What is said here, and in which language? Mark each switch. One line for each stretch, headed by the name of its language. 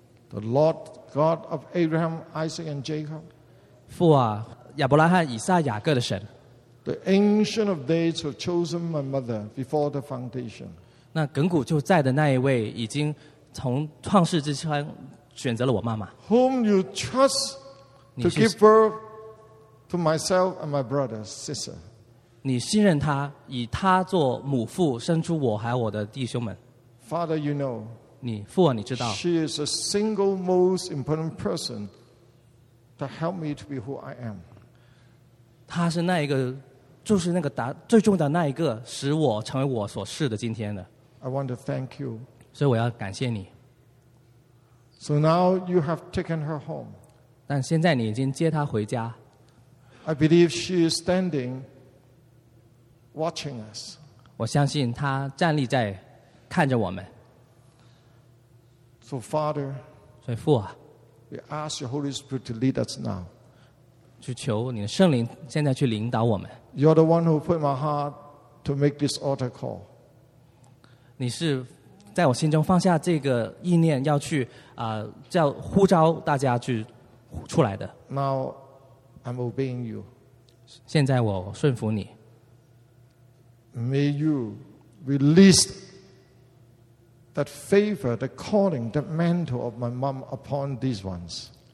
English: The Lord God of Abraham, Isaac, and Jacob.
Chinese: 父啊，亚伯拉罕、以撒、雅各的神。
English: The Ancient of Days who chosen my mother before the foundation.
Chinese: 那亘古就在的那一位，已经从创世之前选择了我妈妈。
English: Whom you trust to give birth to myself and my brother, sister.
Chinese: 你信任他，以他做母父，生出我还有我的弟兄们。
English: Father, you know.
Chinese: 你父啊，你知道。
English: She is the single most important person to help me to be who I am.
Chinese: 她是那一个，就是那个最重要的那一个，使我成为我所是的今天的。
English: I want to thank you.
Chinese: 所以我要感谢你。
English: So now you have taken her home.
Chinese: 但现在你已经接她回家。
English: I believe she is standing watching us.
Chinese: 我相信她站立在看着我们。
English: So Father,
Chinese: 所以父啊
English: we ask your Holy Spirit to lead us now.
Chinese: 去求你的圣灵现在去领导我们。
English: You're the one who put my heart to make this altar call.
Chinese: 你是在我心中放下这个意念要去叫呼召大家去出来的。
English: Now I'm obeying you.
Chinese: 现在我顺服你。
English: May you release. That favor, the calling, the mantle of my mom upon these ones.